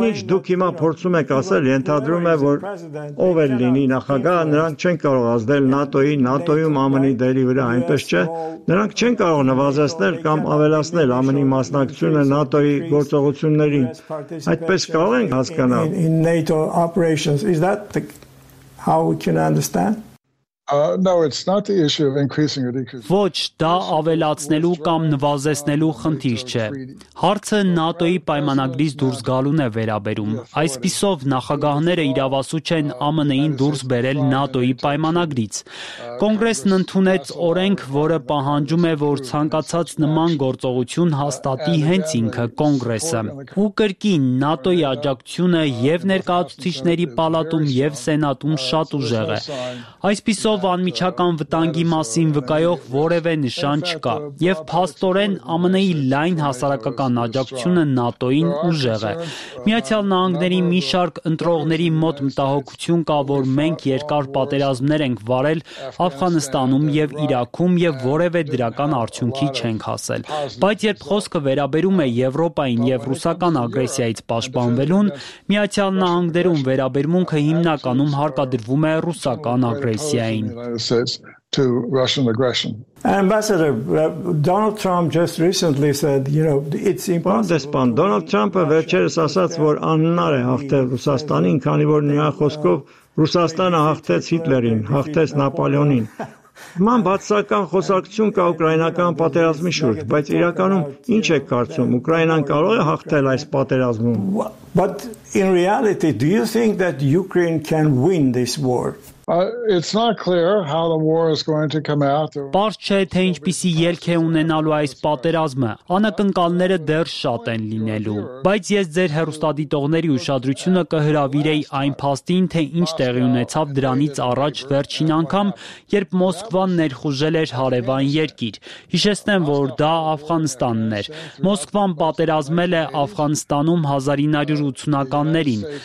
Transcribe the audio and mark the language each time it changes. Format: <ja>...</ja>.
<hy>Այնինչ դուք հիմա փորձում եք ասել, ենթադրում եմ, որ ով էլ լինի նախագահ, նրանք չեն կարող ազդել ՆԱՏՕ-ի, ՆԱՏՕ-ում ԱՄՆ-ի դերի վրա, այնպես չէ։ Նրանք չեն կարող նվազեցնել կամ ավելացնել ԱՄՆ-ի մասնակցությունը ՆԱՏՕ-ի գործողություններին։ Այդպես կարող ենք հասկանալ։</hy> <en>In NATO operations, is that how we can understand? No, it's not the issue of increasing or decreasing.</en> <hy>Ոչ, դա ավելացնելու կամ նվազեցնելու խնդիր չէ։ Հարցը ՆԱՏՕ-ի պայմանագրից դուրս գալուն է վերաբերում։ Այսպիսով նախագահները իրավասու չեն ԱՄՆ-ին դուրս բերել ՆԱՏՕ-ի պայմանագրից։ Կոնգրեսն ընդունեց օրենք, որը պահանջում է, որ ցանկացած նման գործողություն հաստատի հենց ինքը Կոնգրեսը։ Ու կրկին ՆԱՏՕ-ի աջակցությունը եւ ներկայացուցիչների պալատում եւ սենատում շատ ուժեղ է։ Այսպիսով անմիջական վտանգի մասին վկայող որևէ նշան չկա, եւ փաստորեն ԱՄՆ-ի լայն հասարակական աջակցությունը ՆԱՏՕ-ին ուժեղ է։ Միացյալ Նահանգների մի շարք ընտրողների մոտ մտահոգություն կա, որ մենք երկար պատերազմներ ենք վարել Աֆղանստանում եւ Իրաքում եւ որևէ դրական արդյունքի չենք հասել։ Բայց երբ խոսքը վերաբերում է Եվրոպային եւ ռուսական ագրեսիայից պաշտպանվելուն, Միացյալ Նահանգներում վերաբերմունքը հիմնականում հարկադրվում է ռուսական ագրեսիային։</hy> <en>Ambassador Donald Trump just recently said, you know, it's impossible.</en> <hy>Պարոն Դոնալդ Թրամփը վերջերս ասաց, որ անհնար է հաղթել Ռուսաստանին, քանի որ նրա խոսքով Ռուսաստանը հաղթեց Հիտլերին, հաղթեց Նապոլեոնին։ Ման բացական խոսակցություն կա ուկրաինական պատերազմի շուրջ, բայց իրականում ի՞նչ է կարծում, Ուկրաինան կարող է հաղթել այս պատերազմում։</hy> <en>But in reality, do you think that Ukraine can win this war? It's not clear how the war is going to come out.</en> <hy>Պարզ չէ, թե ինչպիսի ելք է ունենալու այս պատերազմը։ Անակնկալները դեռ շատ են լինելու, բայց ես ձեր հեռուստադիտողների ուշադրությունը կհրավիրեի այն փաստին, թե ինչ տեղի ունեցավ դրանից առաջ վերջին անգամ, երբ Մոսկվան ներխուժել էր հարևան երկիր։ Հիշեցնեմ, որ դա Աֆղանստանն էր։ Մոսկվան պատերազմել է Աֆղանստանում 1980-ականներին։</hy>